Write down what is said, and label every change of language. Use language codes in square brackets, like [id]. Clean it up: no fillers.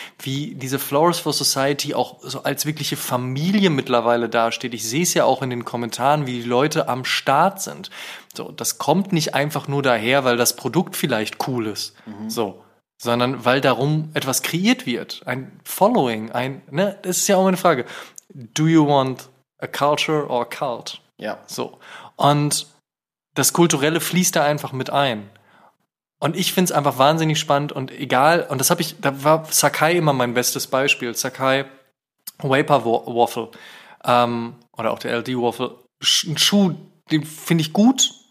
[de] Wie diese Flowers for Society auch so als wirkliche Familie mittlerweile dasteht. Ich sehe es ja auch in den Kommentaren, wie die Leute am Start sind. So, das kommt nicht einfach nur daher, weil das Produkt vielleicht cool ist. Mhm. So, sondern weil darum etwas kreiert wird. Ein Following, das ist ja auch meine Frage. [en] Do you want a culture or a cult? [de] Ja. So, und das Kulturelle fließt da einfach mit ein. Und ich finde es einfach wahnsinnig spannend und egal, und das habe ich, da war Sakai immer mein bestes Beispiel. Sakai, Vapor Waffle, oder auch der LD Waffle, ein Schuh, den finde ich gut.